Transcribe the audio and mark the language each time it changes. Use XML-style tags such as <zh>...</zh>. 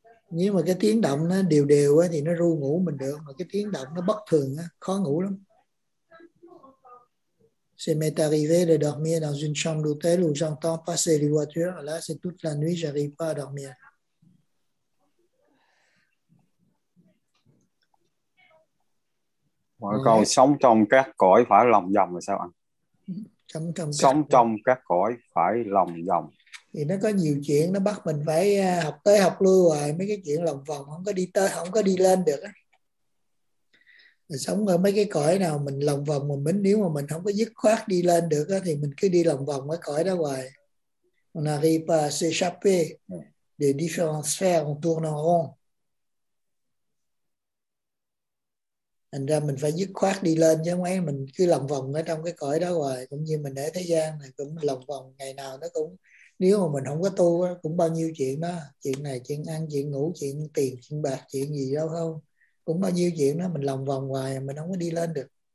<vi>Nhưng mà cái tiếng động nó đều đều thì nó ru ngủ mình được. Mà cái tiếng động nó bất thường, khó ngủ lắm.</vi> <fr>Ça m'est arrivé de dormir dans une chambre d'hôtel où j'entends passer les voitures. Là, c'est toute la nuit, j'arrive pas à dormir.</fr> <vi>Mọi câu sống trong các cõi phải lòng vòng là sao anh? Sống trong các cõi phải lòng vòng. Thì nó có nhiều chuyện, nó bắt mình phải học tới học lui hoài, mấy cái chuyện lòng vòng, không có đi tới, không có đi lên được. Mình sống ở mấy cái cõi nào mình lòng vòng, mình nếu mà mình không có dứt khoát đi lên được thì mình cứ đi lòng vòng cái cõi đó hoài.</vi> <fr>On arrive pas à s'échapper des différentes sphères, on tourne en rond.</fr> <vi>Thành ra mình phải dứt khoát đi lên, chứ mấy mình cứ lòng vòng ở trong cái cõi đó hoài, cũng như mình ở thế gian này cũng lòng vòng, ngày nào nó cũng... Nếu mà mình không có tu cũng bao nhiêu chuyện đó, chuyện này, chuyện ăn, chuyện ngủ, chuyện tiền, chuyện bạc, chuyện gì đâu không, cũng bao nhiêu chuyện đó, mình lòng vòng hoài, mình không có đi lên được.</vi>